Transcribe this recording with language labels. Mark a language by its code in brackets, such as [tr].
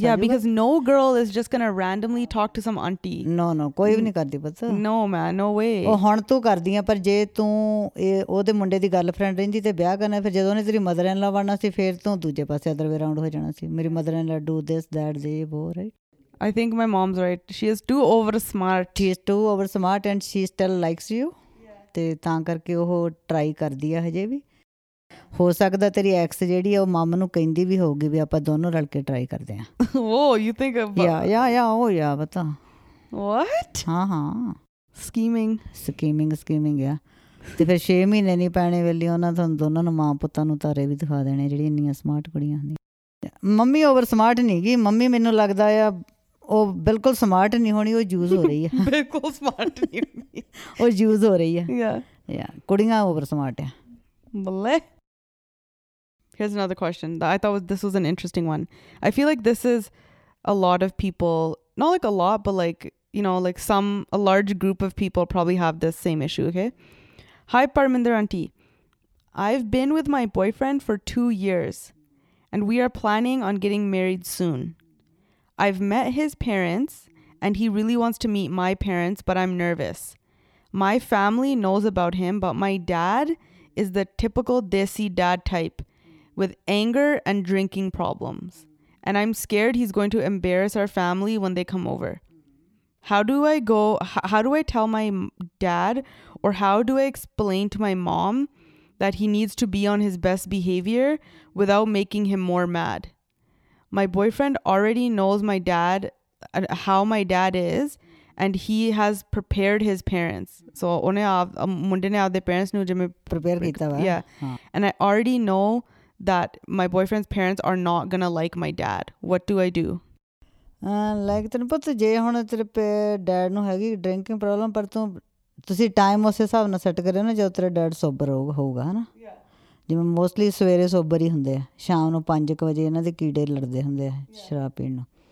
[en] ਜਾ yeah because no girl is just gonna randomly talk to some aunty no no [pa] ਕੋਈ ਵੀ ਨਹੀਂ ਕਰਦੀ ਪਤਾ [en] no man no way [pa] ਉਹ ਹੁਣ ਤੂੰ ਕਰਦੀ ਆ ਪਰ ਜੇ ਤੂੰ ਇਹ ਉਹਦੇ ਮੁੰਡੇ ਦੀ ਗਰਲਫ੍ਰੈਂਡ ਰਹਿੰਦੀ ਤੇ ਵਿਆਹ ਕਰਨਾ ਫਿਰ ਜਦੋਂ ਉਹਨੇ ਤੇਰੀ ਮਦਰ ਇਨ ਲਾ ਬਣਨਾ ਸੀ ਫਿਰ ਤੂੰ ਦੂਜੇ ਪਾਸੇ [en] other way round [pa] ਹੋ ਜਾਣਾ ਸੀ ਮੇਰੀ [en] Mother in law do this that ਦੇ ਵੋ right I think my mom's right. She is too over smart. She is too over smart and she still likes you. [pa] ਤੇ ਤਾਂ ਕਰਕੇ ਉਹ ਟਰਾਈ ਕਰਦੀ ਆ ਹਜੇ ਵੀ ਹੋ ਸਕਦਾ ਤੇਰੀ ਐਕਸ ਜਿਹੜੀ ਆ ਉਹ ਮੰਮ ਨੂੰ ਕਹਿੰਦੀ ਵੀ ਹੋਊਗੀ ਵੀ ਆਪਾਂ ਦੋਨੋਂ ਰਲ ਕੇ ਟਰਾਈ ਕਰਦੇ ਆ [en] oh you think yeah oh yeah ਬਤਾ what [pa] ਹਾਂ ਹਾਂ [en] scheming [pa] ਆ ਤੇ ਫਿਰ 6 ਮਹੀਨੇ ਨਹੀਂ ਪੈਣੇ ਵੇਲੇ ਉਹਨਾਂ ਤੁਹਾਨੂੰ ਦੋਨਾਂ ਨੂੰ ਮਾਂ ਪੁੱਤਾਂ ਨੂੰ ਤਾਰੇ ਵੀ ਦਿਖਾ ਦੇਣੇ ਜਿਹੜੀ ਇੰਨੀਆਂ ਸਮਾਰਟ ਕੁੜੀਆਂ ਹੁੰਦੀਆਂ ਮੰਮੀ ਓਵਰ ਸਮਾਰਟ ਨਹੀਂ ਗੀ ਮੰਮੀ ਮੈਨੂੰ ਲੱਗਦਾ ਆ ਉਹ ਬਿਲਕੁਲ ਸਮਾਰਟ ਨਹੀਂ ਹੋਣੀ ਉਹ ਯੂਜ਼ ਹੋ ਰਹੀ ਆ ਬਿਲਕੁਲ ਸਮਾਰਟ ਨਹੀਂ ਉਹ ਯੂਜ਼ ਹੋ ਰਹੀ ਆ ਯਾ ਕੁੜੀਆਂ ਓਵਰ ਸਮਾਰਟ ਆ [en] ਬੱਲੇ here's another question that I thought this was an interesting one I feel like this is a lot of people not like a lot but like you know like some a large group of people probably have this same issue okay hi Parminder aunty I've been with my boyfriend for 2 years And we are planning on getting married soon. I've met his parents, and he really wants to meet my parents, but I'm nervous. My family knows about him, but my dad is the typical Desi dad type with anger and drinking problems. And I'm scared he's going to embarrass our family when they come over. How do I tell my dad, or how do I explain to my mom that he needs to be on his best behavior without making him more mad. My boyfriend already knows my dad, how my dad is, and he has prepared his parents. [pa] So, unne munde ne apne parents nu jame prepare kita va. [en] Yeah. And I already know that my boyfriend's parents are not gonna like my dad. What do I do? [pa] Like tenu pata je hun tere dad nu hagi drinking problem par tu ਤੁਸੀਂ time ਉਸ ਹਿਸਾਬ ਨਾਲ set ਕਰਿਓ ਨਾ ਜਦੋਂ ਤੇਰਾ dad sober ਹੋਊਗਾ ਹੈ ਨਾ ਜਿਵੇਂ ਮੋਸਟਲੀ ਸਵੇਰੇ ਸੋਬਰ ਹੀ ਹੁੰਦੇ ਆ ਸ਼ਾਮ ਨੂੰ 5 ਵਜੇ ਇਹਨਾਂ ਦੇ ਕੀੜੇ ਲੜਦੇ ਹੁੰਦੇ ਆ ਸ਼ਰਾਬ ਪੀਣ ਨੂੰ